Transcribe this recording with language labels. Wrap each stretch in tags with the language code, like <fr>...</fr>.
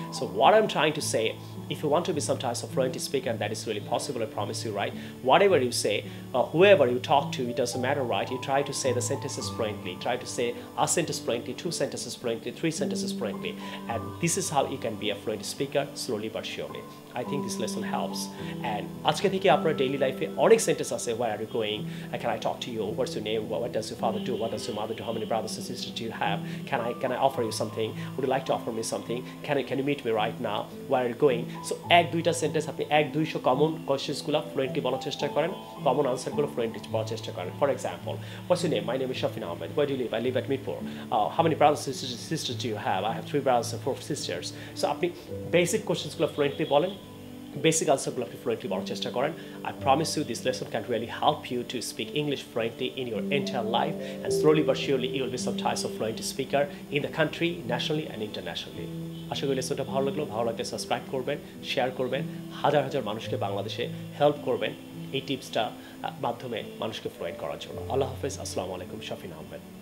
<en>So what I am trying to say, if you want to be some types of fluent speaker and that is really possible, I promise you, right, whatever you say, whoever you talk to, it doesn't matter, right, you try to say the sentences fluently, try to say a sentence fluently, two sentences fluently, three sentences fluently, and this is how you can be a fluent speaker slowly but surely. I think this lesson helps. And</en> <bn>আজকে থেকে আপনার daily লাইফে অনেক sentence আছে,</bn> <en>where are you going, can I talk to you, what's your name, what does your father do, what does your mother do, how many brothers and sisters do you have, can I offer you something, would you like to offer me something, can you meet me right now, where are you going.</en> <bn>So এক দুইটা sentence আপনি 100-200 common কোশ্চেন্সগুলো fluently বলার চেষ্টা করেন, common আনসারগুলো fluently বলার চেষ্টা করেন।</bn> <en>For example, what's your name, my name is Shafin Ahmed, where do you live, I live at Mirpur, how many brothers and sisters do you have, I have 3 brothers and 4 sisters.</en> <bn>So আপনি basic কোশ্চেন্সগুলো fluently বলেন, basic আনসারগুলো আপনি fluently বলার চেষ্টা করেন।</bn> <en>I promise you this lesson can really help you to speak English fluently in your entire life, and slowly but surely you will be some types of fluent speaker in the country, nationally and internationally.</en> <bn>আশা করি লেসনটা ভালো লাগলো, ভালো লাগলে subscribe করবেন, share করবেন, হাজার হাজার মানুষকে বাংলাদেশে হেল্প করবেন এই টিপসটা মাধ্যমে মানুষকে ফ্লুয়েন্ট করার জন্য। আল্লাহ হাফেজ, আসসালামু আলাইকুম, শফিন আহমেদ।</bn>